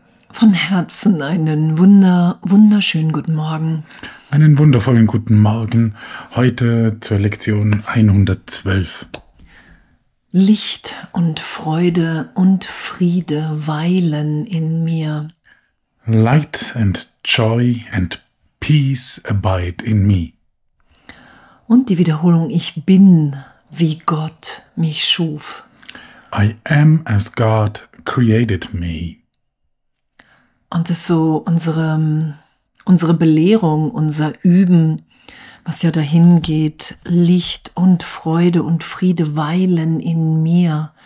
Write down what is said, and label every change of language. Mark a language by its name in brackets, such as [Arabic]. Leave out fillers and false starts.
[German] Von Herzen einen wunderschönen guten Morgen. Einen wundervollen guten Morgen, heute zur Lektion 112. Licht und Freude und Friede weilen in mir. [English] Light and joy and peace abide in me. [German] Und die Wiederholung, ich bin, wie Gott mich schuf. [English] I am as God created me. [German] Und es ist so unsere Belehrung, unser Üben, was ja dahin geht, Licht und Freude und Friede weilen in mir.